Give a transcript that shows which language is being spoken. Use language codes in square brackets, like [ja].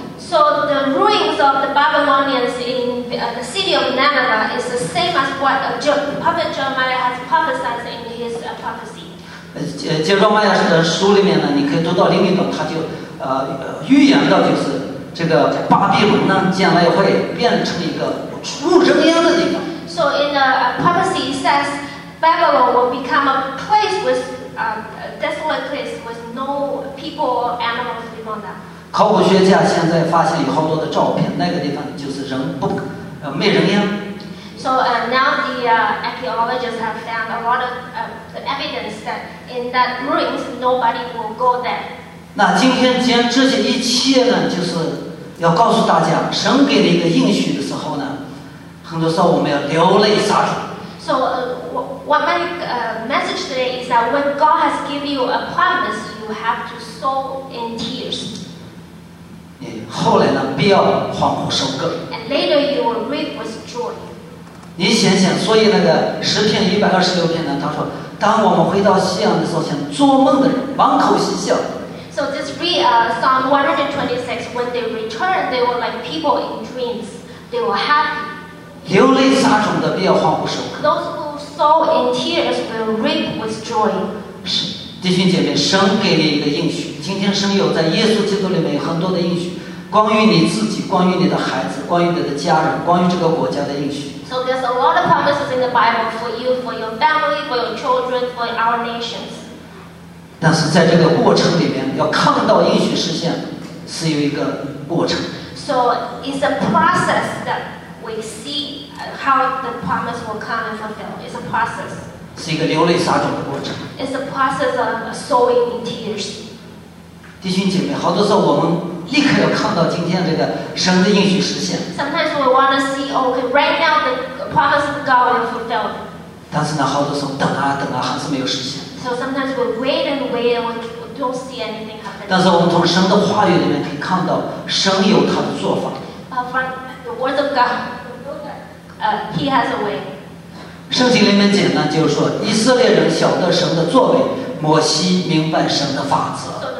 [en] So the ruins of the Babylonians in the city of Nineveh is the same as what the prophet Jeremiah has prophesied in his prophecy. [zh] 杰罗麦亚的书里面呢，你可以读到另一段，他就预言到就是这个巴比伦呢，将来会变成一个无人烟的地方。 [en] So in the prophecy it says Babylon will become a place with a desolate place with no people or animals living on that. [zh] 考古学家现在发现有好多的照片，那个地方就是人不没人烟。 [en] So now the archaeologists have found a lot of the evidence that in that ruins nobody will go there. [zh] 那今天将这些一切呢，就是要告诉大家，神给了一个应许的时候呢，很多时候我们要流泪撒主。 [en] So what my message today is that when God has given you a promise, you have to sow in tears. [zh] 后来呢，必要欢呼收割。 [en] And later you will reap with joy. [zh] 你想想，所以那个诗篇126篇呢，他说：“当我们回到西安的时候，像做梦的人，满口嬉笑。” [en] So this read Psalm 126. When they return, they were like people in dreams. They were happy. [zh] 流泪撒种的必要欢呼收割。 [en] Those who sow in tears will reap with joy. [zh] 是，弟兄姐妹，神给你一个应许。今天神有在耶稣基督里面有很多的应许，关于你自己，关于你的孩子，关于你的家人，关于这个国家的应许。 [en] So there's a lot of promises in the Bible for you, for your family, for your children, for our nations. [zh] 但是在这个过程里面，要看到应许实现，是有一个过程。 [en] So it's a process that we see how the promise will come and fulfill. It's a process. [zh] 是一个流泪撒种的过程。 [en] It's a process of sowing in tears. [zh] 弟兄姐妹，好多时候我们立刻要看到今天这个神的应许实现。 [en] Sometimes we want to see, okay, right now the promise of God will fulfill. [zh] 但是呢，好多时候等啊等啊，还是没有实现。 [en] So sometimes we wait and wait and we don't see anything happen. [zh] 但是我们从神的话语里面可以看到，神有他的做法。 [en] From the word of God, He has a way. [zh] 圣经里面讲呢，就是说以色列人晓得神的作为，摩西明白神的法则。